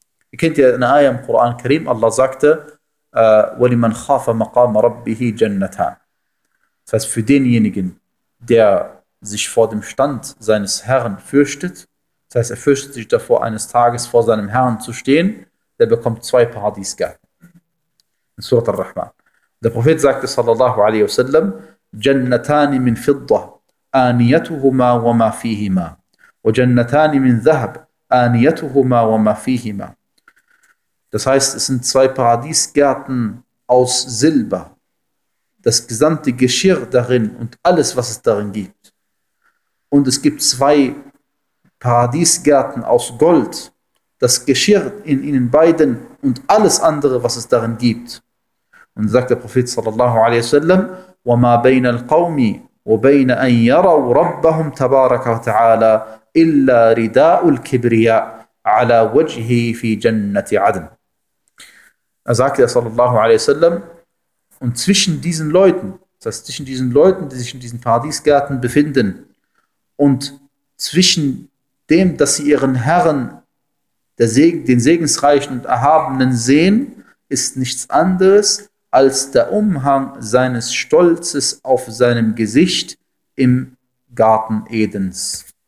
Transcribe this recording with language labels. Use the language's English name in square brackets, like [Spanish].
[German] Ihr kennt ja eine Ayah im Koran Karim, Allah sagte, [Arabic] وَلِمَنْ خَافَ مَقَامَ رَبِّهِ جَنَّتًا. [German] Das heißt, für denjenigen, der sich vor dem Stand seines Herrn fürchtet, das heißt, er fürchtet sich davor, eines Tages vor seinem Herrn zu stehen, der bekommt zwei Paradiesgärten. In Surat al-Rahman. Der Prophet sagte, [Arabic] sallallahu alaihi wasallam, جَنَّتَانِ مِنْ فِضَّةِ آنِيَتُهُمَا وَمَا فِيهِمَا وَجَنَّتَانِ مِنْ ذَهَبْ آنِيَتُهُمَا وَمَا فِيهِمَا. [German] Das heißt, es sind zwei Paradiesgärten aus Silber, das gesamte Geschirr darin und alles, was es darin gibt. Und es gibt zwei Paradiesgärten aus Gold, das Geschirr in ihnen beiden und alles andere, was es darin gibt. Und sagt der Prophet [Arabic] sallallahu alaihi wasallam, وَمَا بَيْنَ الْقَوْمِ وَبَيْنَ أَنْ يَرَوْا رَبَّهُمْ تَبَارَكَ وَتَعَالَى إِلَّا رِدَاءُ الْكِبْرِيَاءِ عَلَى وَجْهِ فِي جَنَّةِ عَدْنٍ. [German] Er sagte, sallallahu alaihi wasallam, und zwischen diesen Leuten, das heißt zwischen diesen Leuten, die sich in diesen Paradiesgärten befinden, und zwischen dem, dass sie ihren Herrn, den segensreichen und erhabenen sehen, ist nichts anderes als der Umhang seines Stolzes auf seinem Gesicht im Garten Edens.